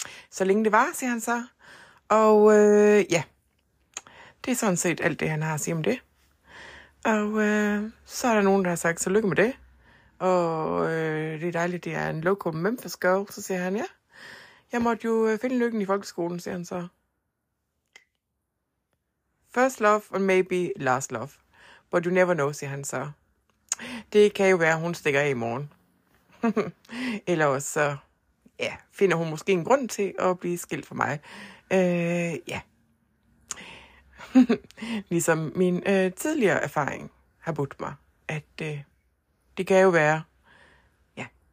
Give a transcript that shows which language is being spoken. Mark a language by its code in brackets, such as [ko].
[da] Så længe det var, siger han så. Og ja, det er sådan set alt det, han har at sige om det. Og så er der nogen, der har sagt, så lykke med det. Og det er dejligt, det er en [en] local Memphis girl. [da] Så siger han, ja, jeg måtte jo finde lykken i folkeskolen, siger han så. [en] First love and maybe last love. But you never know, [da] siger han så. Det kan jo være, hun stikker af i morgen. Eller også, ja, finder hun måske en grund til at blive skilt fra mig. Ja. Ligesom min tidligere erfaring har budt mig, at det kan jo være, ja.